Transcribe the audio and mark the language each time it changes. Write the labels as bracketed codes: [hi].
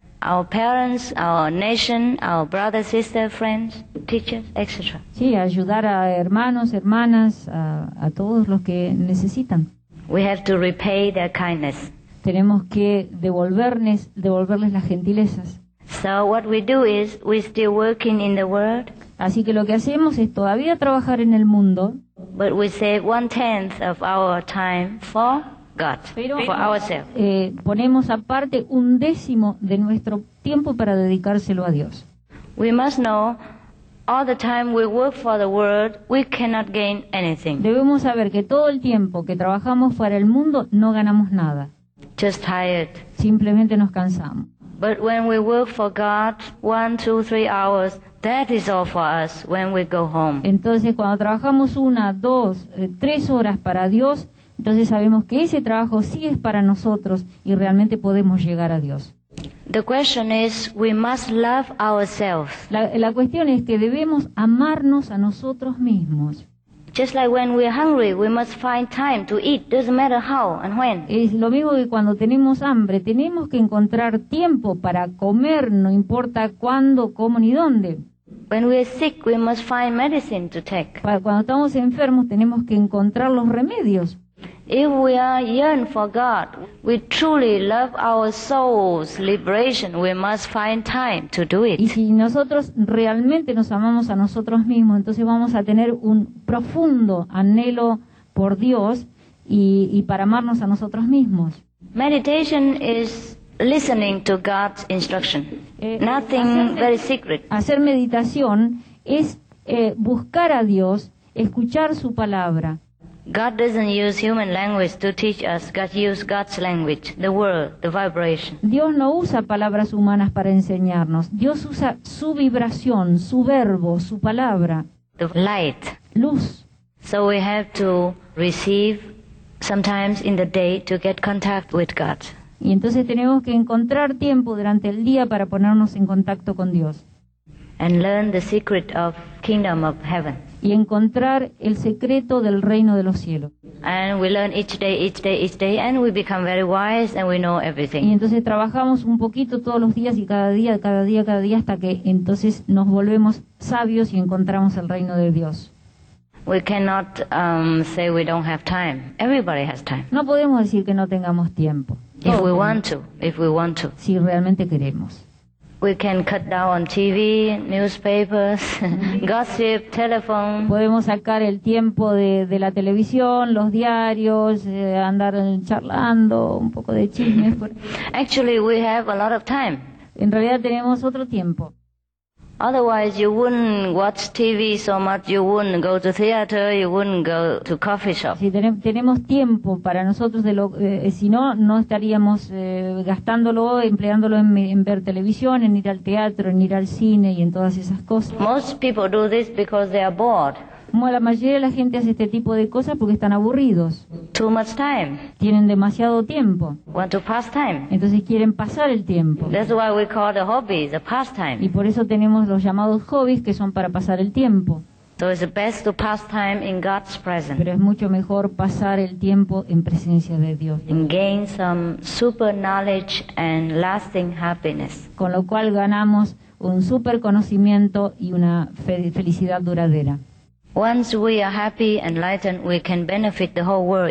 [en] Our parents, our nation, our brothers, sisters, friends, teachers, etc. [es] Sí, ayudar a hermanos, hermanas, a todos los que necesitan. [en] We have to repay their kindness. [es] Tenemos que devolverles las gentilezas. [en] So what we do is we still working in the world. [es] Así que lo que hacemos es todavía trabajar en el mundo. [en] But we save one tenth of our time for God, for ourselves. [es] Ponemos aparte un décimo de nuestro tiempo para dedicárselo a Dios. [en] We must know all the time we work for the world, we cannot gain anything. [es] Debemos saber que todo el tiempo que trabajamos para el mundo no ganamos nada. [en] Just tired. [es] Simplemente nos cansamos. [en] But when we work for God, 1, 2, 3 hours, that is all for us when we go home. [es] Entonces, cuando trabajamos 1, 2, 3 horas para Dios, entonces sabemos que ese trabajo sí es para nosotros y realmente podemos llegar a Dios. [en] The question is, we must love ourselves. [es] La cuestión es que debemos amarnos a nosotros mismos. [en] Just like when we are hungry, we must find time to eat. Doesn't matter how and when. [es] Es lo mismo que cuando tenemos hambre, tenemos que encontrar tiempo para comer. No importa cuándo, cómo ni dónde. [en] When we are sick, we must find medicine to take. [es] Cuando estamos enfermos, tenemos que encontrar los remedios. [en] If we are yearn for God, we truly love our soul's liberation, we must find time to do it. [es] Y si nosotros realmente nos amamos a nosotros mismos, entonces vamos a tener un profundo anhelo por Dios y para amarnos a nosotros mismos. [en] Meditation is listening to God's instruction. Nothing very secret. [es] Hacer meditación es buscar a Dios, escuchar su palabra. [en] God doesn't use human language to teach us. God uses God's language, the world, the vibration. [es] Dios no usa palabras humanas para enseñarnos. Dios usa su vibración, su verbo, su palabra. [en] The light. [es] Luz. [en] So we have to receive sometimes in the day to get contact with God. [es] Y entonces tenemos que encontrar tiempo durante el día para ponernos en contacto con Dios. [en] And learn the secret of kingdom of heaven. [es] Y encontrar el secreto del reino de los cielos. [en] And we learn each day, each day, each day, and we become very wise and we know everything. [es] Y entonces trabajamos un poquito todos los días y cada día, cada día, cada día, hasta que entonces nos volvemos sabios y encontramos el reino de Dios. [en] We cannot say we don't have time. Everybody has time. [es] No podemos decir que no tengamos tiempo. [en] If we want to, if we want to. [es] Si realmente queremos. [en] We can cut down on TV, newspapers, gossip, telephone. [es] Podemos sacar el tiempo de la televisión, los diarios, andar charlando, un poco de chismes. [en] Actually, we have a lot of time. [es] En realidad tenemos otro tiempo. [en] Otherwise, you wouldn't watch TV so much. You wouldn't go to theater. You wouldn't go to coffee shop. [es] Si tenemos tiempo para nosotros, si no, no estaríamos gastándolo, empleándolo en ver televisión, en ir al teatro, en ir al cine y en todas esas cosas. [en] Most people do this because they are bored. [es] Como la mayoría de la gente hace este tipo de cosas porque están aburridos. [en] Too much time. [es] Tienen demasiado tiempo. [en] Want to pass time. [es] Entonces quieren pasar el tiempo. [en] That's why we call the hobbies a pastime. [es] Y por eso tenemos los llamados hobbies que son para pasar el tiempo. [en] So it's best to pass time in God's presence. [es] Pero es mucho mejor pasar el tiempo en presencia de Dios. [en] And gain some super knowledge and lasting happiness. [es] Con lo cual ganamos un super conocimiento y una felicidad duradera. [en] Once we are happy and enlightened, we can benefit the whole world.